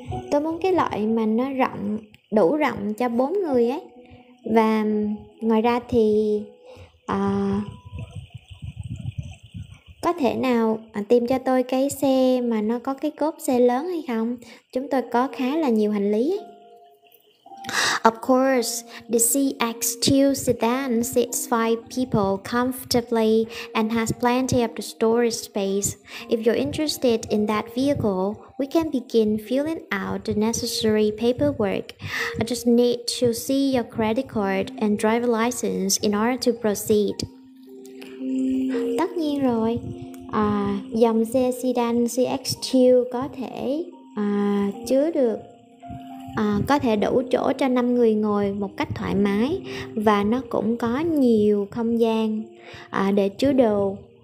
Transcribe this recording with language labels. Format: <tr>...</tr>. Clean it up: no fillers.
<vi>Tôi muốn cái loại mà nó rộng, đủ rộng cho 4 người ấy. Và ngoài ra thì có thể nào tìm cho tôi cái xe mà nó có cái cốp xe lớn hay không? Chúng tôi có khá là nhiều hành lý ấy.</vi> <en>Of course, the CX2 sedan seats 5 people comfortably and has plenty of the storage space. If you're interested in that vehicle, we can begin filling out the necessary paperwork. I just need to see your credit card and driver license in order to proceed.</en> <vi>Tất nhiên rồi, dòng xe sedan CX2 có thể chứa được có thể đủ chỗ cho 5 người ngồi một cách thoải mái, và nó cũng có nhiều không gian để chứa đồ.</vi>